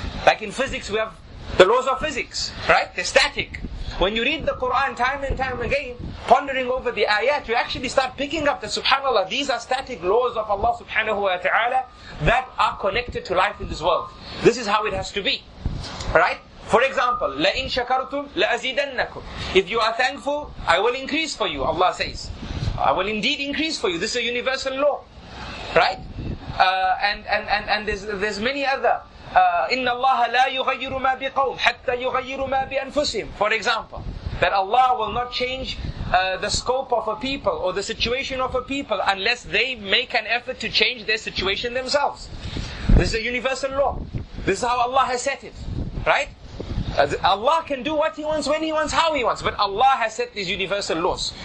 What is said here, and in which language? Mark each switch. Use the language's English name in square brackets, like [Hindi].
[English] Like in physics, we have the laws of physics, right? They're static. When you read the Quran time and time again, pondering over the ayat, you actually start picking up that, subhanAllah, these are static laws of Allah subhanahu wa ta'ala that are connected to life in this world. This is how it has to be, right? For example, [Arabic] لَإِن شَكَرْتُمْ لَأَزِيدَنَّكُمْ. [English] If you are thankful, I will increase for you, Allah says. I will indeed increase for you. This is a universal law, right? And there's many other. [Arabic] إِنَّ اللَّهَ لَا يُغَيِّرُ مَا بِقَوْمٍ حَتَّى يُغَيِّرُ مَا بِأَنفُسِهِمْ. [English] For example, that Allah will not change the scope of a people or the situation of a people unless they make an effort to change their situation themselves. This is a universal law. This is how Allah has set it, right? Allah can do what He wants, when He wants, how He wants. But Allah has set these universal laws.